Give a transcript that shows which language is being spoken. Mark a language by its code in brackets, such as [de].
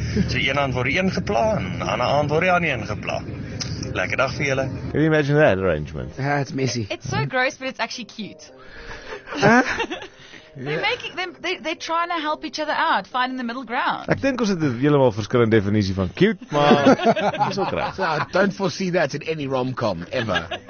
[af] So een aand word die een geplaan, ander aand word die ander een geplaan. Lekker dag vir julle. [en] Can you imagine that arrangement? It's messy. It's so gross but it's actually cute. Yeah. They're trying to help each other out, finding the middle ground. [af] Ek dink ons het 'n heeltemal verskillende definisie van cute, maar dis ook reg. [en] So, don't foresee that in any rom-com ever.